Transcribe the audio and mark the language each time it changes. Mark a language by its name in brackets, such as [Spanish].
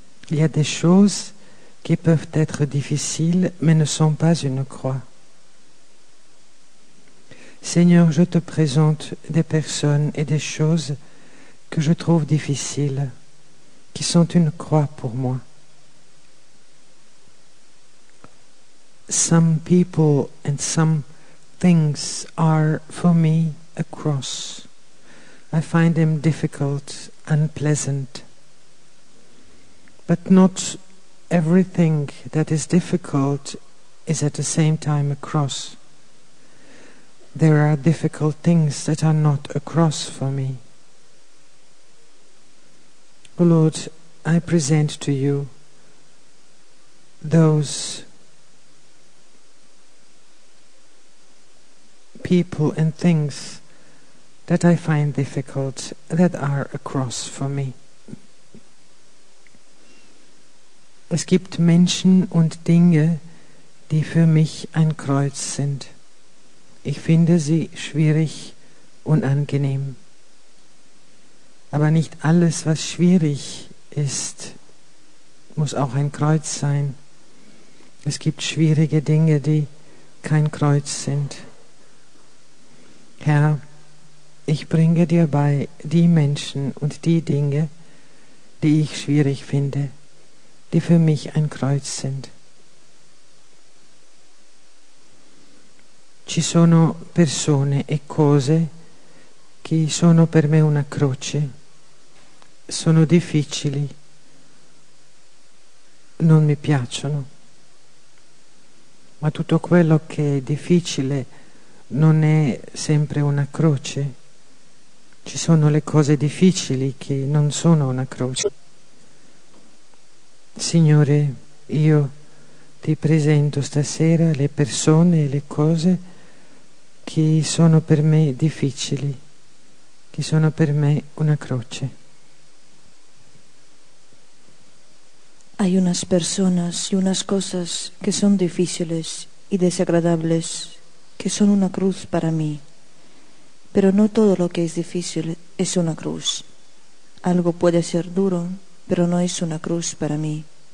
[French] Il y a des choses qui peuvent être difficiles, mais ne sont pas une croix. Seigneur, je te présente des personnes et des choses que je trouve difficiles, qui sont une croix pour moi. [English] Some people and some things are for me a cross. I find them difficult, unpleasant. But not everything that is difficult is at the same time a cross. There are difficult things that are not a cross for me. O Lord, I present to you those people and things that I find difficult that are a cross for me. [German] Es gibt Menschen und Dinge, die für mich ein Kreuz sind. Ich finde sie schwierig, unangenehm. Aber nicht alles, was schwierig ist, muss auch ein Kreuz sein. Es gibt schwierige Dinge, die kein Kreuz sind. Herr, ich bringe dir bei die Menschen und die Dinge, die ich schwierig finde, die für mich ein Kreuz sind. [Italian] Ci sono persone e cose che sono per me una croce, sono difficili, non mi piacciono, ma tutto quello che è difficile non è sempre una croce, ci sono le cose difficili che non sono una croce. Signore, io ti presento stasera le persone e le cose che sono per me difficili, che sono per me una croce. [Spanish] Hay unas personas y unas cosas que son difíciles y desagradables, que son una cruz para mí. Pero no todo lo que es difícil es una cruz. Algo puede ser duro, pero no es una cruz para mí.